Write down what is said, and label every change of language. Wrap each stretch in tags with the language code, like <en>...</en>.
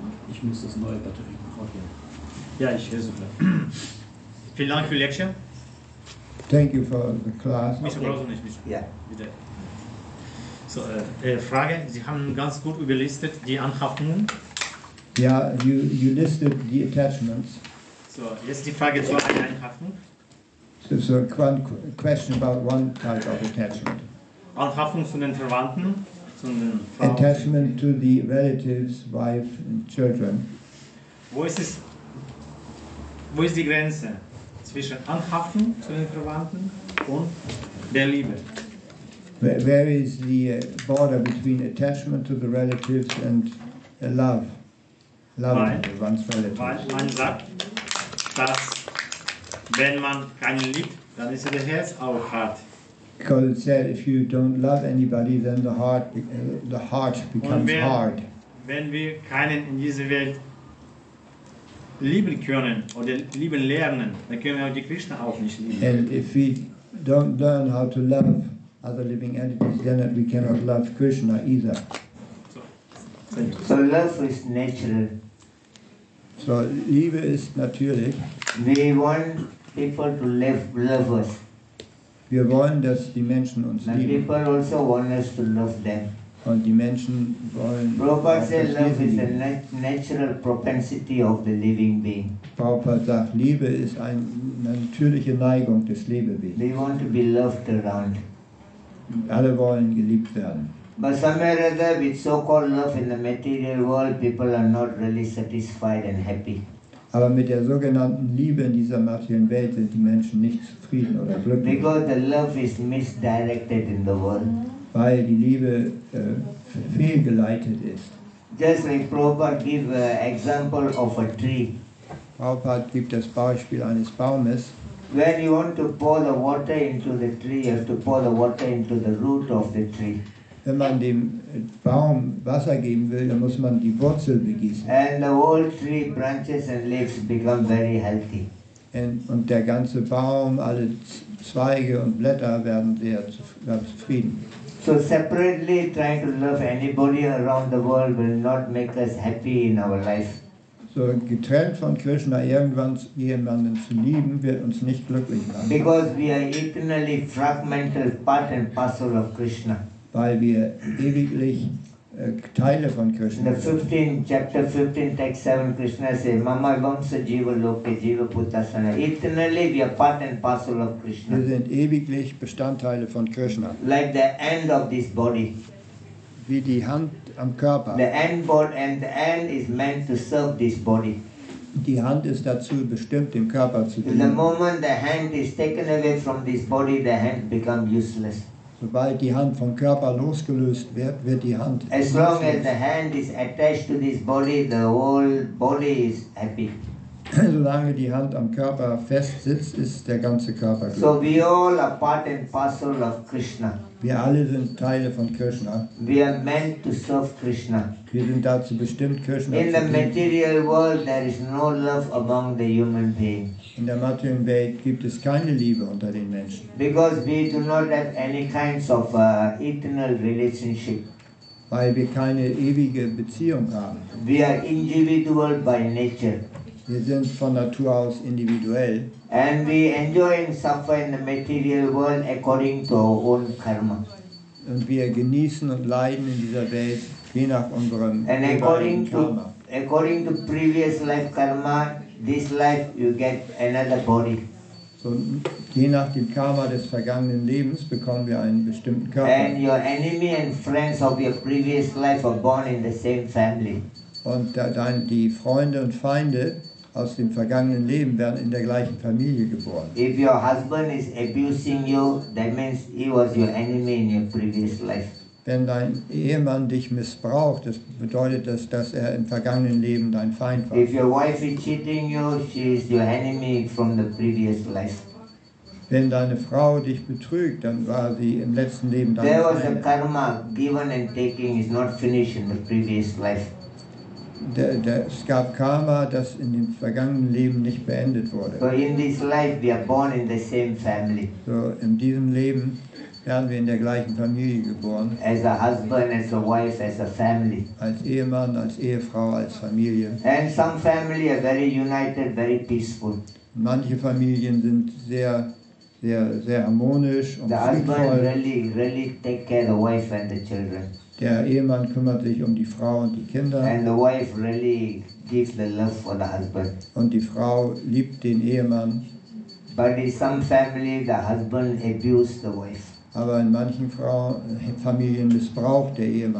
<de>Ich muss das neue Batterie noch aufnehmen. Ja, ich höre sogar. Vielen Dank für die Lecture.</de> <en>Thank you for the class.</en> <de>Mr. Brosnan, nicht Mr. Ja. Bitte. So, Frage. Sie haben ganz gut überlistet die Anhaftungen. Ja,</de> <en>you listed the attachments.</en> <de>So, jetzt die Frage zur Anhaftung.</de> <en>So, one question about one type of attachment.</en> <de>Anhaftung zu den Verwandten, zu den Frauen.</de> <en>Attachment to the relatives, wife and children.</en> <de>Wo ist die Grenze zwischen Anhaftung zu den Verwandten und der Liebe?</de> <en>Where is the border between attachment to the relatives and love?</en> <de>Man sagt, dass wenn man keinen liebt, dann ist das Herz auch hart.</de> <en>Because it said, if you don't love anybody, then the heart becomes hard.</en> <de>Wenn wir keinen in dieser Welt lieben können oder lieben lernen, dann können wir auch die Krishna auch nicht lieben.</de> <en>And if we don't learn how to love other living entities, then we cannot love Krishna either. So love is natural.</en> <de>So Liebe ist natürlich.</de> <en>We want people to love us.</en> <de>Wir wollen, dass die Menschen uns</de> <en>and</en> <de>lieben.</de> <en>People also want us to love them.</en> <de>Und die Menschen wollen</de> <en>Prabhupada</en> <de>uns sagt,</de> <en>love is a natural propensity of the living being.</en> <de>Prabhupada sagt, Liebe ist eine natürliche Neigung des Lebewesens.</de> <en>We want to be loved around.</en> <de>Alle wollen geliebt werden.</de> <en>But somewhere or other, with so-called love in the material world, people are not really satisfied and happy.</en> <de>Aber mit der sogenannten Liebe in dieser materiellen Welt sind die Menschen nicht zufrieden oder glücklich.</de> <en>Because the love is misdirected in the world.</en> <de>Weil die Liebe fehlgeleitet ist.</de> <en>Just like Prabhupada gives an example of a tree.</en> <de>Prabhupada gibt das Beispiel eines Baumes.</de> <en>When you want to pour the water into the tree, you have to pour the water into the root of the tree.</en> <de>Wenn man dem Baum Wasser geben will, dann muss man die Wurzel begießen.</de> <en>And the whole tree, branches and leaves become very healthy.</en> <de>Und der ganze Baum, alle Zweige und Blätter werden sehr zufrieden.</de> <en>So separately trying to love anybody around the world will not make us happy in our life.</en> <de>So getrennt von Krishna irgendwann jemanden zu lieben, wird uns nicht glücklich machen.</de> <en>Because we are eternally fragmental part and parcel of Krishna.</en> <de>Weil wir ewiglich Teile von Krishna sind.</de> <en>In chapter 15, text 7, Krishna says,</en> <sa>Mama Vamsa Jiva Loke Jiva Putasana.</sa> <en>Eternally, we are part and parcel of Krishna.</en> <de>Wir sind ewiglich Bestandteile von Krishna.</de> <en>Like the end of this body.</en> <de>Wie die Hand am Körper.</de> <en>The end board and the end is meant to serve this body.</en> <de>Die Hand ist dazu bestimmt, dem Körper zu dienen.</de> <en>The moment the hand is taken away from this body, the hand becomes useless.</en> <de>Sobald die Hand vom Körper losgelöst wird, wird die Hand</de> <en>as long as the hand is attached to this body, the whole body is happy.</en> <de>Solange die Hand am Körper fest sitzt, ist der ganze Körper glücklich.</de> <en>So we all are part and parcel of Krishna.</en> <de>Wir alle sind Teile von Krishna.</de> <en>We are meant to serve Krishna.</en> <de>Wir sind dazu bestimmt, Krishna</de> <en>in</en> <de>zu</de> <en>the material world there is no love among the human being.</en> <de>In der materiellen Welt gibt es keine Liebe unter den Menschen.</de> <en>Because we do not have any kinds of eternal relationship.</en> <de>Weil wir keine ewige Beziehung haben.</de> <en>We are individual by nature.</en> <de>Wir sind von Natur aus individuell.</de> <en>And we enjoy and suffer in the material world according to our own karma.</en> <de>Und wir genießen und leiden in dieser Welt je nach unserem</de> <en>and according to, karma. According to previous life karma, this life you get another body.</en> <de>So, je nach dem Karma des vergangenen Lebens bekommen wir einen bestimmten Körper.</de> <en>And your enemy and friends of your previous life are born in the same family.</en> <de>Und dann die Freunde und Feinde aus dem vergangenen Leben werden in der gleichen Familie geboren.</de> <en>If your husband is abusing you, that means he was your enemy in your previous life.</en> <de>Wenn dein Ehemann dich missbraucht, das bedeutet das, dass er im vergangenen Leben dein Feind war.</de> <en>If your wife is cheating you, she is your enemy from the previous life.</en> <de>Wenn deine Frau dich betrügt, dann war sie im letzten Leben dein Feind.</de> <en>There was a karma given and taking is not finished in the previous life.</en> <de>Es gab Karma, das in dem vergangenen Leben nicht beendet wurde.</de> <en>So in this life we are born in the same family.</en> <de>So in diesem Leben werden wir in der gleichen Familie geboren.</de> <en>As a husband, as a wife, as a family.</en> <de>Als Ehemann, als Ehefrau, als Familie.</de> <en>And some family are very united, very peaceful.</en> <de>Manche Familien sind sehr, sehr, sehr harmonisch und friedvoll.</de> <en>The husband really take care of the wife and the children.</en> <de>Der Ehemann kümmert sich um die Frau und die Kinder.</de> <en>And the wife really gives the love for the husband.</en> <de>Und die Frau liebt den Ehemann.</de> <en>But in some family, the husband abuses the wife.</en> <de>Aber in manchen Familien missbraucht der Ehemann</de>